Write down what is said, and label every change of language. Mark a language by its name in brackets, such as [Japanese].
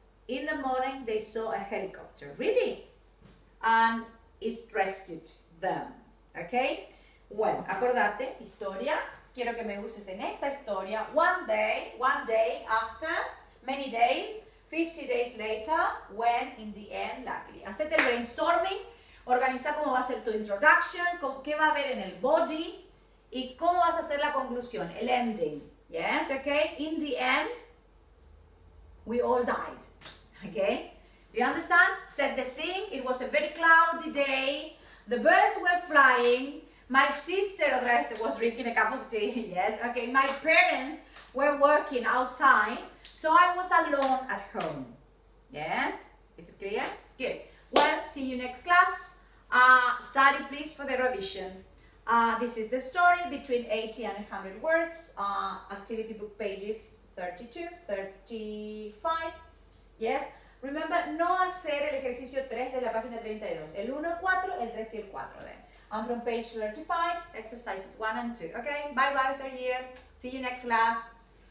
[English] In the morning, they saw a helicopter. Really? And it rescued them. Okay? [Spanish] Well, acordate, historia. Quiero que me uses en esta historia. [English] One day after, many days, 50 days later, when, in the end, luckily. [Spanish] Hacete el brainstorming. Organiza cómo va a ser tu introduction, qué va a haber en el body, y cómo vas a hacer la conclusión, el ending. [English] Yes? Okay? In the end, we all died. Okay, do you understand? Set the scene. It was a very cloudy day. The birds were flying. My sister was drinking a cup of tea. Yes. Okay. My parents were working outside, so I was alone at home. Yes. Is it clear? Good. Well, see you next class. Study, please, for the revision. This is the story between 80 and 100 words. Activity book pages 32-35. Yes. [Spanish] Remember, no hacer el ejercicio 3 de la página 32. El 1, 4, el 3 y el 4. Then. [English] I'm from page 35, exercises 1 and 2. Okay, bye bye, third year. See you next class.